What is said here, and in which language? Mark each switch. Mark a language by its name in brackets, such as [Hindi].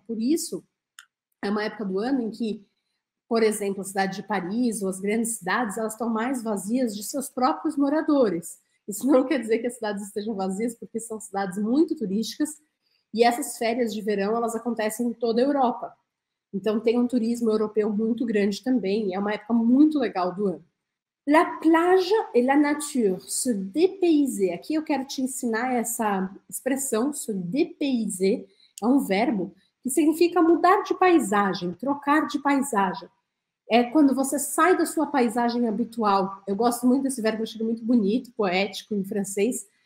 [Portuguese] Por isso, é uma época do ano em que, por exemplo, a cidade de Paris ou as grandes cidades, elas estão mais vazias de seus próprios moradores. Isso não quer dizer que as cidades estejam vazias, porque são cidades muito turísticas, e essas férias de verão, elas acontecem em toda a Europa. Então, tem um turismo europeu muito grande também, e é uma época muito legal do ano. [French] La plage et la nature, se dépayser. [Portuguese] Aqui eu quero te ensinar essa expressão, [French] se dépayser, [Portuguese] é um verbo que significa mudar de paisagem, trocar de paisagem. É quando você sai da sua paisagem habitual. Eu gosto muito desse verbo, eu acho muito bonito, poético em francês.